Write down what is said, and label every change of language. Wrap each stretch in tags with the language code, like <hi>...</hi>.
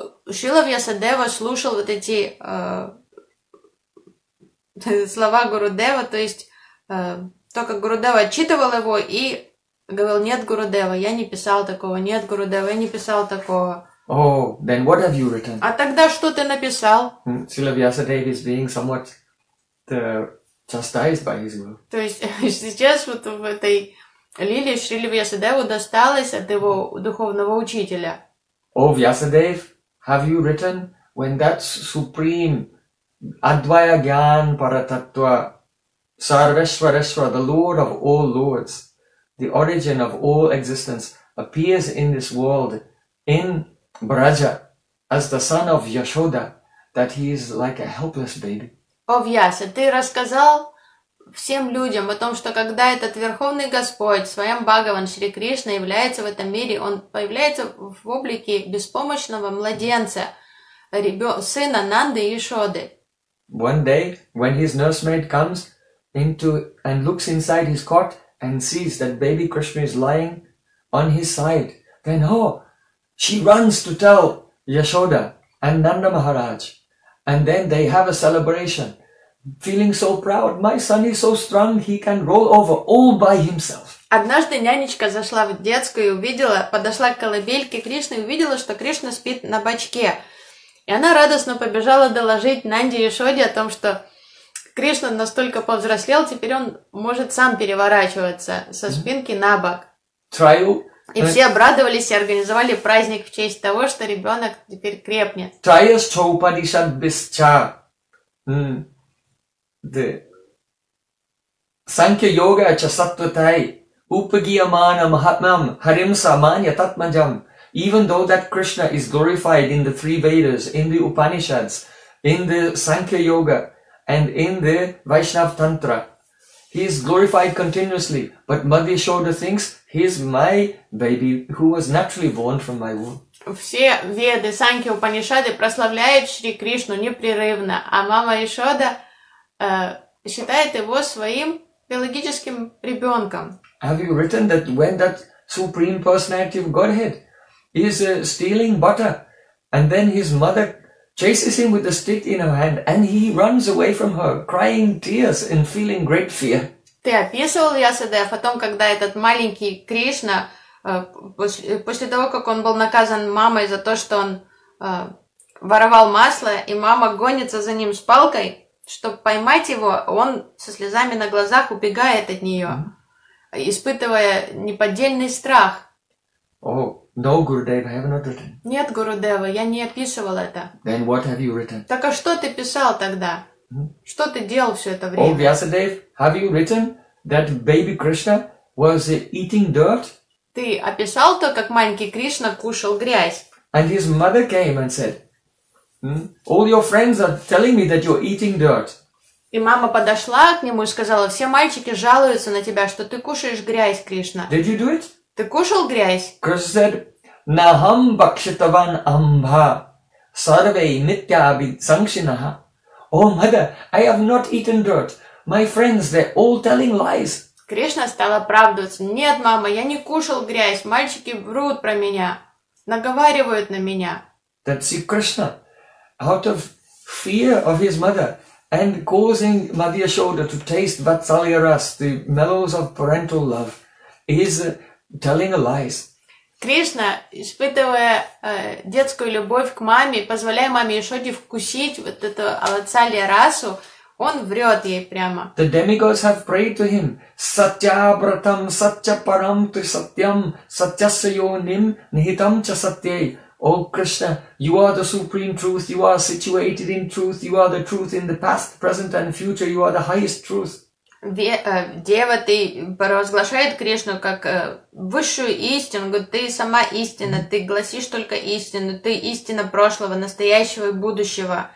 <ru>Шрила Вьясадева слушал вот эти слова Гурудева, то есть только Гурудева отчитывал его и говорил: «Нет, Гурудева, я не писал такого, нет, Гурудева, я не писал такого».</ru> <en>Oh, then what have you written?</en> <ru>А тогда что ты написал?</ru> <en>Srila Vyasadeva is being somewhat chastised by his guru.</en> <ru>То есть сейчас вот в этой лиле Шрили Вьясадеву досталось от его духовного учителя.</ru> <en>Oh, Vyasadeva, have you written when that supreme Advaya Gyan Paratattva Sarveshwareshwara, the Lord of all Lords, the origin of all existence, appears in this world in Braja, as the son of Yashoda, that he is like a helpless baby.</en> <ru>О, Вьяса, ты рассказал всем людям о том, что когда этот Верховный Господь, Своем Бхагаван Шри Кришна, является в этом мире, он появляется в облике беспомощного младенца, сына Нанды и Яшоды.</ru> <en>One day, when his nursemaid comes into and looks inside his cot and sees that baby Krishna is lying on his side, then, oh, she runs to tell Yashoda and Nanda Maharaj. And then they have a celebration, feeling so proud. My son is so strong, he can roll over all by himself.</en> <ru>Однажды нянечка зашла в детскую и увидела, подошла к колыбельке Кришны и увидела, что Кришна спит на бочке. И она радостно побежала доложить Нанде и Яшоде о том, что Кришна настолько повзрослел, теперь он может сам переворачиваться со спинки на бок. И все обрадовались и организовали праздник в честь того, что ребенок теперь крепнет.</ru> <sa>Трайас Чаупадишат Бисча. Санкья Йога Часаттватай. Упагиямана Махатмам Харимса Манья Татмаджам.</sa> <en>Even though that Krishna is glorified in the three Vedas, in the Upanishads, in the Sankhya Yoga, and in the Vaishnav Tantra, he is glorified continuously. But Madhya Shoda thinks, he is my baby who was naturally born from my womb.</en> <ru>Все Веды, Санки, Упанишады прославляют Шри Кришну непрерывно, а мама Ишода считает его своим биологическим ребенком.</ru> <en>Have you written that when that Supreme Personality of Godhead is stealing butter and then his mother chases him with a stick in her hand and he runs away from her crying tears and feeling great fear?</en> <ru>Ты описывал, Ясадев, о том, когда этот маленький Кришна, после того, как он был наказан мамой за то, что он воровал масло, и мама гонится за ним с палкой, чтобы поймать его, он со слезами на глазах убегает от нее, испытывая неподдельный страх.</ru> <en>Oh, no, Gurudev, I have not written.</en> <ru>Нет, Гурудева, я не описывал это. Then what have you written? Так а что ты писал тогда? Что ты делал все это время?</ru> <en>Oh, Vyasadev, have you written that baby Krishna was eating dirt?</en> <ru>Ты описал то, как маленький Кришна кушал грязь?</ru> <en>And his mother came and said, all your friends are telling me that you're eating dirt.</en> <ru>И мама подошла к нему и сказала: все мальчики жалуются на тебя, что ты кушаешь грязь, Кришна.</ru> <en>Did you do it?</en> <ru>Ты кушал грязь?</ru> <en>Krishna said,</en> <sa>Naham bhakshitavan ambha sarve nitya abhisankshinaha.</sa> <en>Oh, mother, I have not eaten dirt. My friends, they're all telling lies.</en> <ru>Кришна стала оправдываться. Нет, мама, я не кушал грязь. Мальчики врут про меня. Наговаривают на меня.</ru> <en>That see, Krishna, out of fear of his mother and causing Madhya Shoda to taste Vatsalya Ras, the mellows of parental love, is telling lies.</en> <ru>Кришна, испытывая детскую любовь к маме, позволяя маме Яшоде вкусить вот эту Аватсалья Расу, он врет ей прямо.</ru> <en>The demigods have prayed to him.</en> <sa>Satyabratam satyaparam ты satyam satyasya yonim nihitam ча satyai.</sa> <en>О, Кришна, you are the supreme truth, you are situated in truth, you are the truth in the past, present and future, you are the highest truth.</en> <ru>Дева, ты провозглашает Кришну как высшую истину, говорит, ты сама истина, ты гласишь только истину, ты истина прошлого, настоящего и будущего.</ru>